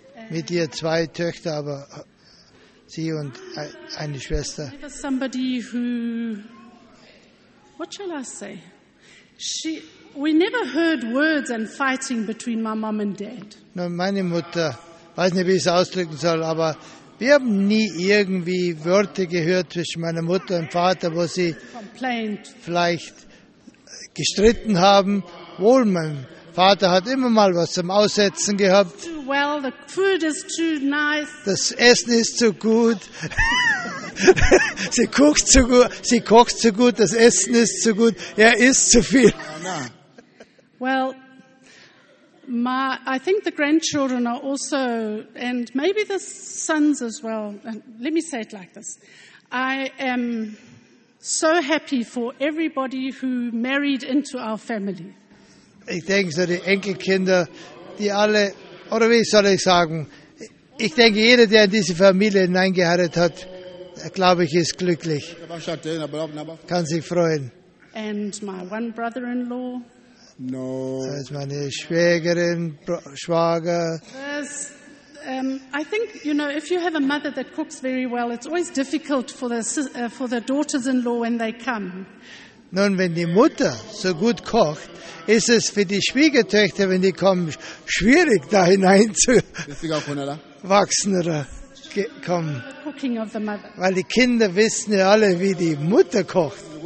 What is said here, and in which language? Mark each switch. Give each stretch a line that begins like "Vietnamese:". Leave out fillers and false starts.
German: mit ihr 2 Töchter, aber sie und eine Schwester.
English: Somebody who, what shall I say? We never heard words and fighting between my mom and dad.
German: Nun, meine Mutter, weiß nicht, wie ich es ausdrücken soll, aber wir haben nie irgendwie Wörter gehört zwischen meiner Mutter und Vater, wo sie
English: complained,
German: vielleicht gestritten haben. Wohl, mein Vater hat immer mal was zum Aussetzen gehabt.
English: Too well, the food is too nice.
German: Das Essen ist zu gut. Sie kocht zu gut. Sie kocht zu gut. Das Essen ist zu gut. Er isst zu viel.
English: Well, I think the grandchildren are also, and maybe the sons as well. Let me say it like this: I am so happy for everybody who married into our family.
German: Ich denke so, die Enkelkinder, die alle, oder wie soll ich sagen, ich denke, jeder, der in diese Familie hineingeheiratet hat, glaube ich, ist glücklich. Kann sich freuen.
English: And my one brother-in-law. No.
German: Das ist meine Schwägerin, Schwager.
English: I think, you know, if you have a mother that cooks very well, it's always difficult for the daughters-in-law when they come.
German: Nun, wenn die Mutter so gut kocht, ist es für die Schwiegertöchter, wenn die kommen, schwierig, da hinein zu wachsen oder kommen. Weil die Kinder wissen ja alle, wie die Mutter kocht.